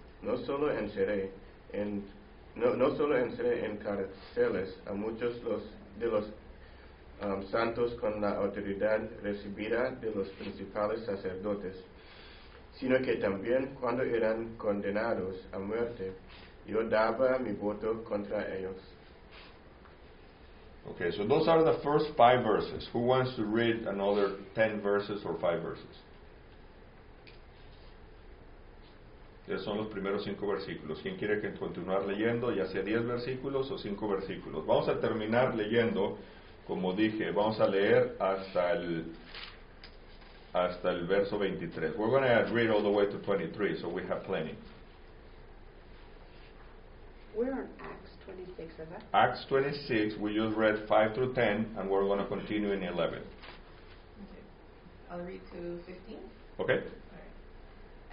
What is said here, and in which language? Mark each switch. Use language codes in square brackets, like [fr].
[es] No solo encerré en cárceles a muchos de los santos con la autoridad recibida de los principales sacerdotes, sino que también cuando eran condenados a muerte, yo daba mi voto contra ellos. [en] Okay, so those are the first 5 verses. Who wants to read another 10 verses or 5 verses? [es] Ya son los primeros 5 versículos. ¿Quién quiere continuar leyendo, ya sea 10 versículos o 5 versículos? Vamos a terminar leyendo, como dije, vamos a leer hasta el verso 23. [en] We're going to read all the way to 23, so we have plenty. We're on Acts 26, is that? Acts 26, we just read 5 through 10, and we're going to continue in 11. Okay. I'll read to 15. Okay.